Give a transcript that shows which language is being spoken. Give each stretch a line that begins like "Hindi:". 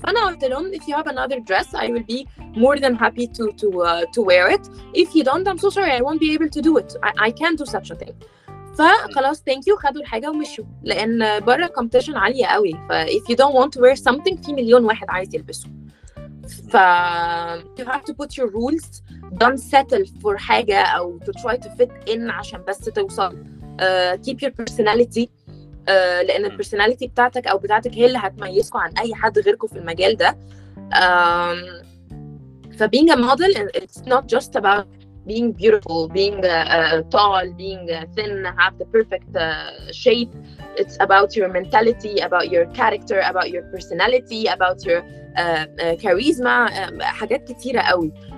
Arabic: فأنا قلت لهم
English: if you have another dress I will be more than happy to wear it. If you don't I'm so sorry I won't be able to do it. I can't do such a thing.
Arabic: فخلاص
English: thank you,
Arabic: خدوا الحاجة ومشوا, لأن برا competition عالية قوي.
English: ف if you don't want to wear something
Arabic: في مليون واحد عايز يلبسه.
English: ف you have to put your rules, don't settle for حاجة أو to try to fit in
Arabic: عشان بس توصل.
English: Keep your personality,
Arabic: لأن البرسوناليتي بتاعتك أو بتاعتك هي اللي هتميزكوا عن أي حد غيركوا في المجال ده.
English: فبينج model it's not just about being beautiful, being tall, being thin, have the perfect shape. It's about your mentality, about your character, about your personality, about your charisma,
Arabic: حاجات كتيرة قوي.